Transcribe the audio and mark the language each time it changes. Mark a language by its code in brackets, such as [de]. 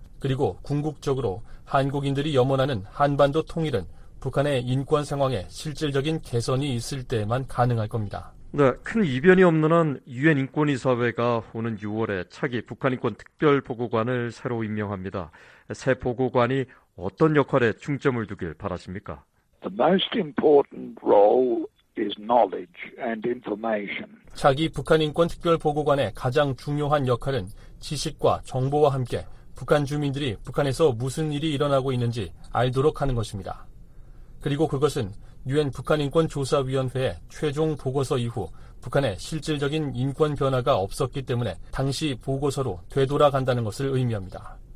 [ko] 그리고 궁극적으로 한국인들이 염원하는 한반도 통일은 북한의 인권 상황에 실질적인 개선이 있을 때에만 가능할 겁니다. 네, 큰 이변이 없는 한 유엔 인권이사회가 오는 6월에 차기 북한인권특별보고관을 새로 임명합니다. 새 보고관이 어떤 역할에 중점을 두길 바라십니까? [en] The most important role is knowledge and information. [ko] 차기 북한인권특별보고관의 가장 중요한 역할은 지식과 정보와 함께 북한 주민들이 북한에서 무슨 일이 일어나고 있는지 알도록 하는 것입니다. 그리고 그것은 유엔 북한인권조사위원회의 최종 보고서 이후 북한의 실질적인 인권 변화가 없었기 때문에 당시 보고서로 되돌아간다는 것을 의미합니다.